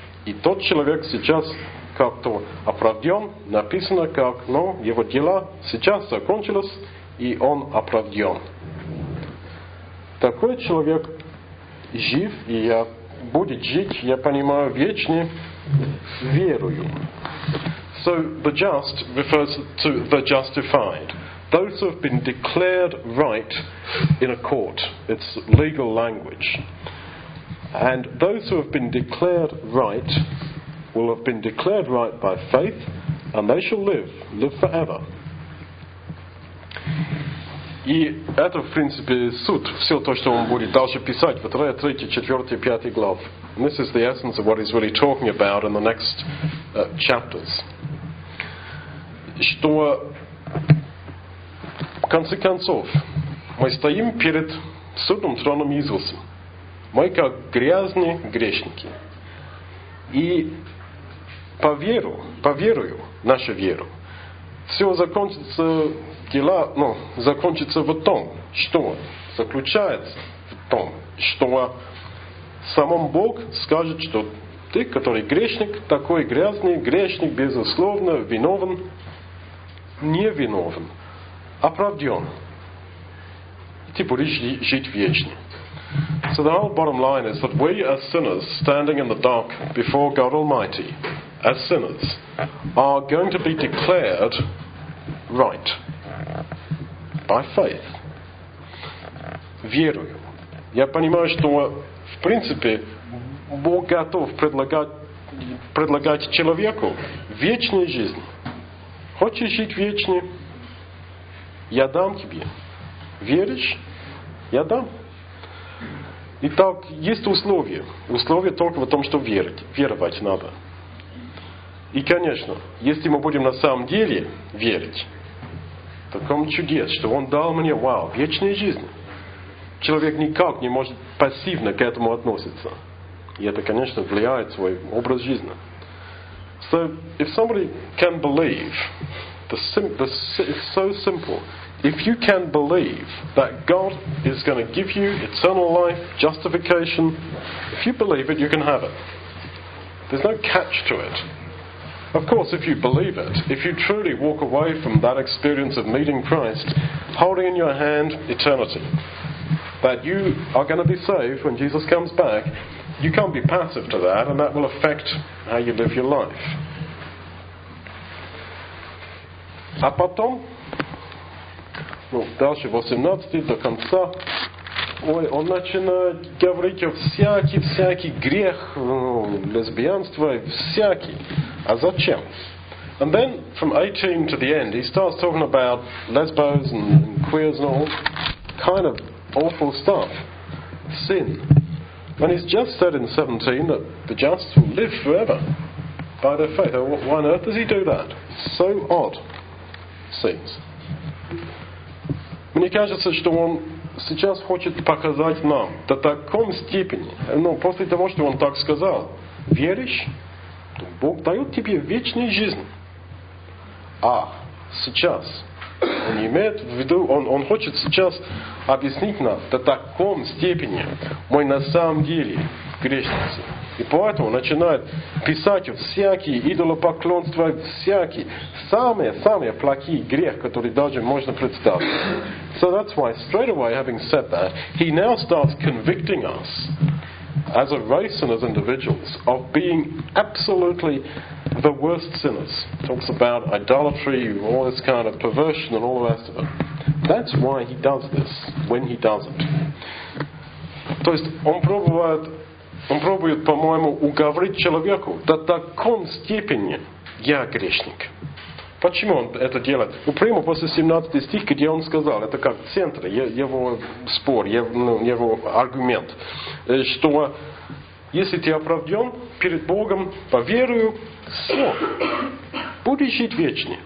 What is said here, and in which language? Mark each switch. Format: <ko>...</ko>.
<ru>И тот человек сейчас как-то оправдан, написано как, его дела сейчас закончились, и он оправдан. Такой человек жив, и я будет жить, я понимаю, вечно верую.</ru> <en>So the just refers to the justified. Those who have been declared right in a court. It's legal language. And those who have been declared right will have been declared right by faith, and they shall live forever.</en> <ru>И это, в принципе, суть, все то, что он будет дальше писать, вторая, третья, четвертая, пятая глав.</ru> <en>And this is the essence of what he's really talking about in the next chapters.</en> <ru>Что, в конце концов, мы стоим перед судом, троном Иисусом. Мы как грязные грешники. И по верою, нашу веру, все закончится, дела, ну, закончится в том, что заключается в том, что сам Бог скажет, что ты, который грешник, такой грязный грешник, безусловно, виновен, невиновен, оправдан. Ты будешь жить вечно.</ru> <en>So the whole bottom line is that we as sinners standing in the dark before God Almighty, as sinners, are going to be declared right by faith.</en> <ru>Верую. Я понимаю, что в принципе Бог готов предлагать человеку вечную жизнь. Хочешь жить вечно? Я дам тебе. Веришь? Я дам. Итак, есть условия. Условия только в том, что веровать надо. И, конечно, если мы будем на самом деле верить, в таком чудес, что Он дал мне, вау, вечную жизнь. Человек никак не может пассивно к этому относиться. И это, конечно, влияет на свой образ жизни.</ru> <en>So, if somebody can believe, it's so simple. If you can believe that God is going to give you eternal life, justification, if you believe it, you can have it. There's no catch to it. Of course, if you believe it, if you truly walk away from that experience of meeting Christ, holding in your hand eternity, that you are going to be saved when Jesus comes back, you can't be passive to that, and that will affect how you live your life.</en> <ru>А потом, ну, дальше 18 до конца, ой, он начинает говорить о всякий грех, ну, лесбиянство, всякий. А зачем?</ru> <en>And then, from 18 to the end, he starts talking about lesbos and queers and all kind of awful stuff. Sin. And he's just said in 17 that the just will live forever by their faith. Why on earth does he do that? It's so odd. Seems.</en> <ru>Мне кажется, что он сейчас хочет показать нам до таком степени, ну, после того, что он так сказал, веришь, Бог дает тебе вечную жизнь. А сейчас он имеет в виду, он хочет сейчас объяснить нам до таком степени, мы на самом деле грешницы. И поэтому начинает писать всякие идолопоклонства, всякие самые плохие грех, которые даже можно представить.</ru> <en>So that's why, straight away, having said that, he now starts convicting us as a race and as individuals of being absolutely the worst sinners. Talks about idolatry, all this kind of perversion and all the rest of it. That's why he does this when he does it.</en> <ru>То есть он пробует. Он пробует, по-моему, уговорить человеку, до такой степени я грешник. Почему он это делает? Прямо после 17 стих, где он сказал, это как центр его спор, его аргумент, что если ты оправдан перед Богом, поверую, все, будешь жить вечно.</ru>